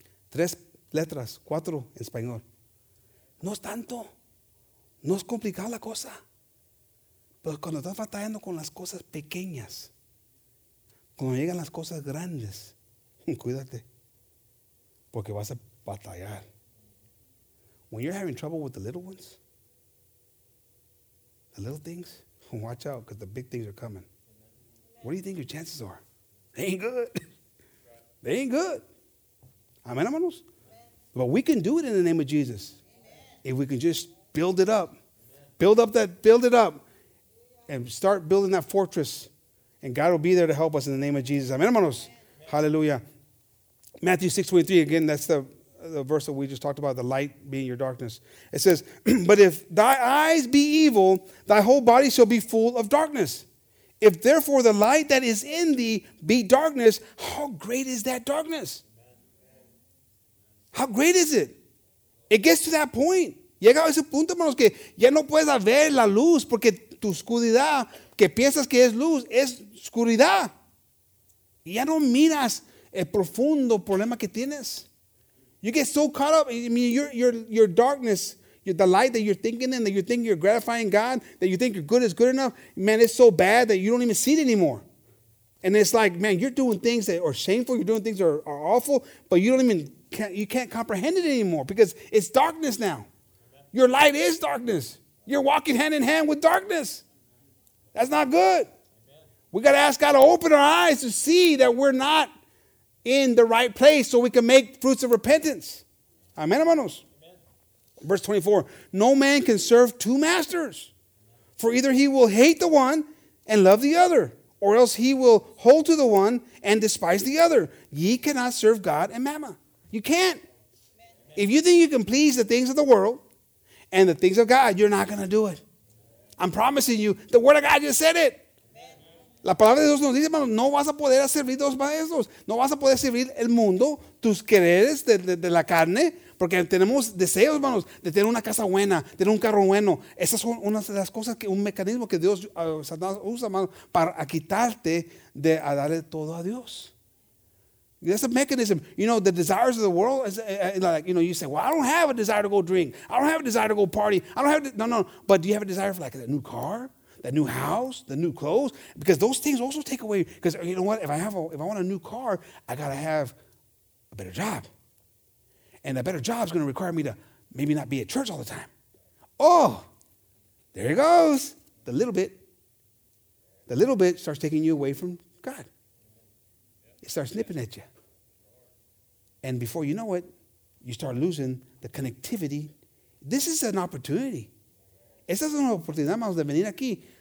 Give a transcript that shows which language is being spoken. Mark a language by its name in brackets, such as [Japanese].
[Spanish] Tres letras, cuatro en español. No es tanto. No es complicada la cosa. Pero cuando estás batallando con las cosas pequeñas, cuando llegan las cosas grandes, cuídate, porque vas a batallar. [English] When you're having trouble with the little ones, the little things, watch out, because the big things are coming. What do you think your chances are? They ain't good. They ain't good. Amen, hermanos? But we can do it in the name of Jesus. If we can just build it up. Build it up. And start building that fortress. And God will be there to help us in the name of Jesus. Amen, hermanos? Hallelujah. Matthew 6:23, again, that's the verse that we just talked about, the light being your darkness. It says, but if thy eyes be evil, thy whole body shall be full of darkness. If therefore the light that is in thee be darkness, how great is that darkness? How great is it? It gets to that point. [Spanish] Llega a ese punto, hermanos, que ya no puedes ver la luz porque tu oscuridad, que piensas que es luz, es oscuridad. Y ya no miras el profundo problema que tienes. [English] You get so caught up. I mean, your darkness, the light that you're thinking in, that you think you're gratifying God, that you think your good is good enough, man, it's so bad that you don't even see it anymore. And it's like, man, you're doing things that are shameful, you're doing things that are awful, but you don't even, you can't comprehend it anymore because it's darkness now. Your light is darkness. You're walking hand in hand with darkness. That's not good. We got to ask God to open our eyes to see that we're not in the right place so we can make fruits of repentance. Amen, hermanos. Verse 24, no man can serve two masters, for either he will hate the one and love the other, or else he will hold to the one and despise the other. Ye cannot serve God and mammon. You can't. If you think you can please the things of the world and the things of God, you're not going to do it. I'm promising you, the word of God just said it. [Spanish] La palabra de Dios nos dice, hermano, no vas a poder servir dos maestros. No vas a poder servir el mundo, tus quereres de la carne, porque tenemos deseos, hermanos, de tener una casa buena, tener un carro bueno. Esas son unas de las cosas, que un mecanismo que Dios Satanás usa, hermano, para quitarte de a darle todo a Dios. [English] That's a mechanism. You know, the desires of the world, is like, you know, you say, well, I don't have a desire to go drink. I don't have a desire to go party. I don't have, but do you have a desire for like a new car? That new house, the new clothes, because those things also take away. Because you know what? If I want a new car, I gotta have a better job, and a better job is gonna require me to maybe not be at church all the time. Oh, there it goes. The little bit starts taking you away from God. It starts nipping at you, and before you know it, you start losing the connectivity. This is an opportunity. [Spanish] Esta es una oportunidad más de venir aquí.